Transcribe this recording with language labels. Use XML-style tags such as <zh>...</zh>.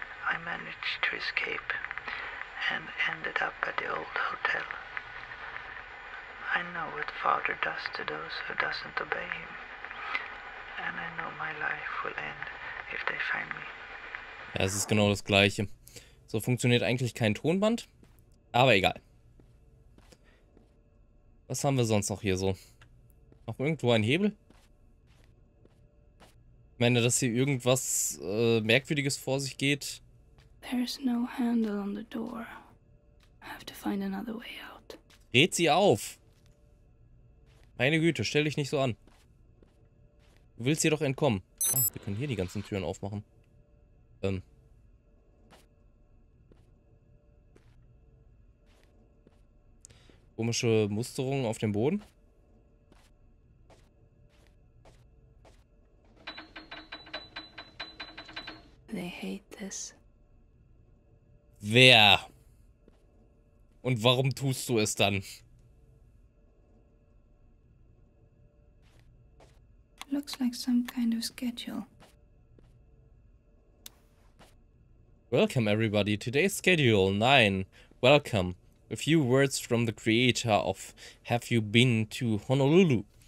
<en>I managed to escape and ended up at the old hotel. I know what Father does to those who doesn't obey him. And I know my life will end if they find me.</en> <de>Ja, es ist genau das gleiche. So funktioniert eigentlich kein Tonband, aber egal. Was haben wir sonst noch hier so? Noch irgendwo ein Hebel? Ich meine, dass hier irgendwas Merkwürdiges vor sich geht.</de> <en>There's no handle on the door. I have to find another way out.</en> <de>Dreht sie auf! Meine Güte, stell dich nicht so an. Du willst hier doch entkommen. Ah, wir können hier die ganzen Türen aufmachen. komische Musterung auf dem Boden.</de> <en>They hate this.</en> <de>Wer? Und warum tust du es dann?</de> <en>Looks like some kind of schedule. Welcome everybody. Today's schedule 9. Welcome. A few words from the creator of Have You Been to Honolulu?</en>